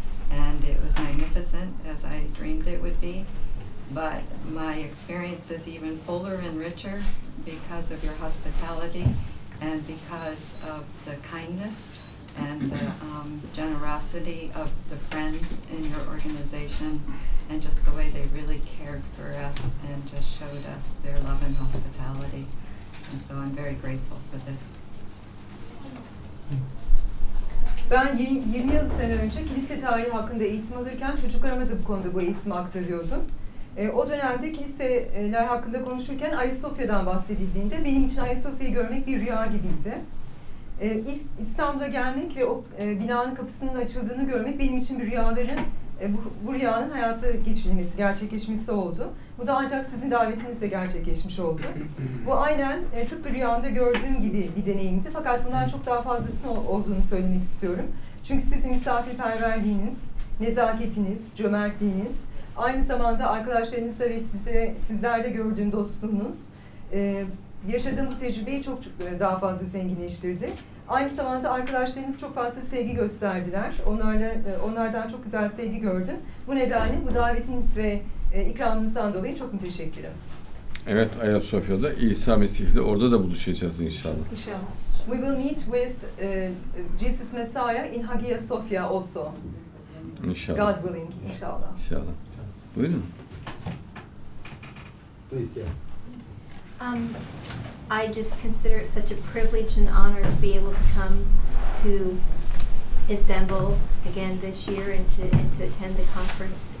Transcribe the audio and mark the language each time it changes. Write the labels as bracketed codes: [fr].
[en] And it was magnificent, as I dreamed it would be. But my experience is even fuller and richer because of your hospitality and because of the kindness and the generosity of the friends in your organization and just the way they really cared for us and just showed us their love and hospitality. And so I'm very grateful for this. [tr] Ben 20 yıl sene önce kilise tarihi hakkında eğitim alırken çocuklarıma da bu konuda bu eğitimi aktarıyordum. O dönemde kiliseler hakkında konuşurken Ayasofya'dan bahsedildiğinde benim için Ayasofya'yı görmek bir rüya gibiydi. İstanbul'a gelmek ve o binanın kapısının açıldığını görmek benim için bir rüyaların, bu rüyanın hayata geçirilmesi, gerçekleşmesi oldu. Bu da ancak sizin davetinizle gerçekleşmiş oldu. Bu aynen tıpkı rüyamda gördüğüm gibi bir deneyimdi. Fakat bundan çok daha fazlasının olduğunu söylemek istiyorum. Çünkü sizin misafirperverliğiniz, nezaketiniz, cömertliğiniz, aynı zamanda arkadaşlarınızla ve sizlerde gördüğüm dostluğunuz, yaşadığım bu tecrübeyi çok daha fazla zenginleştirdi. Aynı zamanda arkadaşlarınız çok fazla sevgi gösterdiler. Onlardan çok güzel sevgi gördüm. Bu nedenle bu davetiniz ve ikramınızdan dolayı çok müteşekkirim. Evet, Ayasofya'da İsa Mesih'le orada da buluşacağız inşallah. İnşallah. [en] We will meet with Jesus Messiah in Hagia Sophia also. [tr] İnşallah. [en] God willing, inşallah. [tr] İnşallah. Buyurun. [en] Please, yeah. I just consider it such a privilege and honor to be able to come to Istanbul again this year and to attend the conference.